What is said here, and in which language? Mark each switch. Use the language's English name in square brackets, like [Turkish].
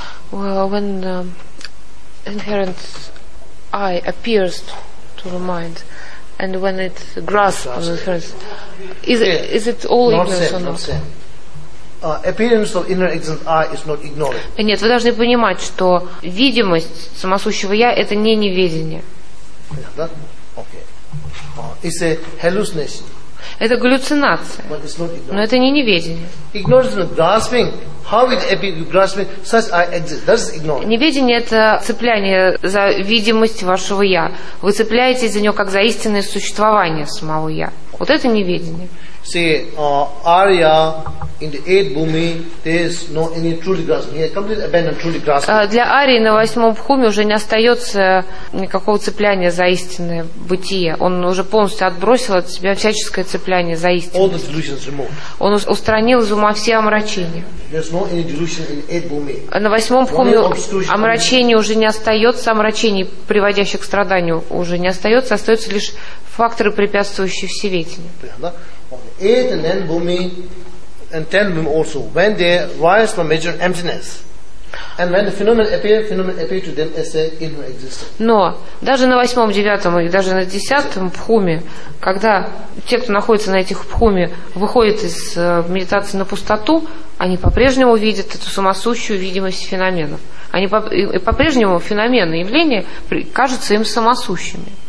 [English] Well, when the inherent I appears to the mind, and when it grasps the inherent, is it all ignorance or not? Appearance of inner existent I is not ignorance. [Russian] Нет, вы должны понимать, что видимость самосущего я это не неведение. [English] Okay. It's a hallucination. [Russian] Это галлюцинация. [English] But it's not ignorance. [Russian] Но это не неведение. [English] Ignorance and grasping. How it appears grasping such I exist. That's ignorance. [Russian] Неведение это цепляние за видимость вашего я. Вы цепляетесь за него как за истинное существование самого я. Вот это неведение. [English] See, Arya in the eighth bhumi, there's no any truly grasping. He has completely abandoned truly grasping. [Russian] Для Арии на восьмом бхуме уже не остается никакого цепляния за истинное бытие. Он уже полностью отбросил от себя всяческое цепляние за истинное. [English] All the delusions removed. [Russian] Он устранил из ума все омрачения. [English] There's no any delusion in eighth bhumi. [Russian] На восьмом бхуме омрачение уже не остается, омрачений, приводящих к страданию, уже не остается, остаются лишь факторы, препятствующие всеветине. [English] Eight and nine bhumi and ten bhumi also, when they rise from major emptiness, and when the phenomena appear to them as a inner existence. [Russian] Но даже на восьмом, девятом и даже на десятом бхуме, когда те, кто находится на этих бхуме, выходят из медитации на пустоту, они по-прежнему видят эту самосущую видимость феноменов. Они по-прежнему феномены, явления кажутся им самосущими.